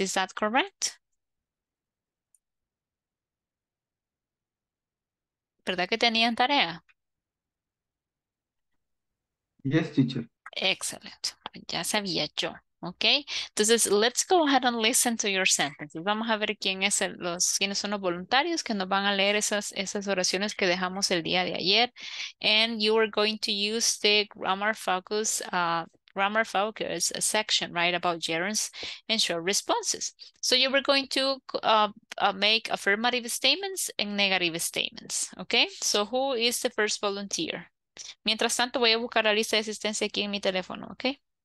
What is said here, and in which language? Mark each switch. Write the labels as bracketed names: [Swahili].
[English] Is that correct? [Spanish] ¿Verdad que tenían tarea? [English] Yes, teacher. [Spanish] Excellent. Ya sabía yo. Ok. [English] Entonces, let's go ahead and listen to your sentences. [Spanish] Vamos a ver quiénes son los voluntarios que nos van a leer esas oraciones que dejamos el día de ayer. [English] And you are going to use the grammar focus section, right, about gerunds and short responses. So you were going to make affirmative statements and negative statements. Ok. So who is the first volunteer? [Spanish] Mientras tanto, voy a buscar la lista de asistencia aquí en mi teléfono, ¿ok?